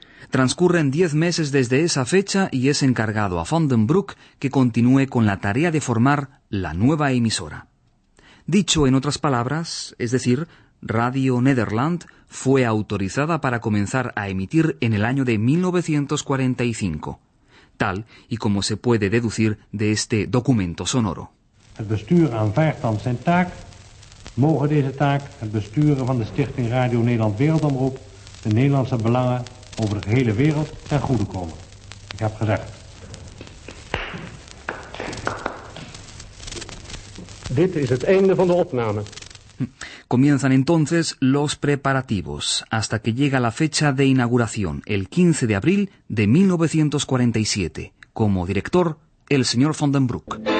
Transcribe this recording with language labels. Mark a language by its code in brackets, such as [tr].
[es] Transcurren 10 meses desde esa fecha y es encargado a Van den Broek que continúe con la tarea de formar la nueva emisora. Dicho en otras palabras, es decir, Radio Nederland fue autorizada para comenzar a emitir en el año de 1945, tal y como se puede deducir de este documento sonoro. [nl] El bestuur aanvaardt dan zijn taak. Mogen deze taak, het besturen van de Stichting Radio Nederland Wereldomroep, de Nederlandse belangen over de hele wereld ten goede komen. Ik heb gezegd. Dit is het einde van de opname. [es] Comienzan entonces los preparativos, hasta que llega la fecha de inauguración, el 15 de abril de 1947, como director, el señor Van den Broek.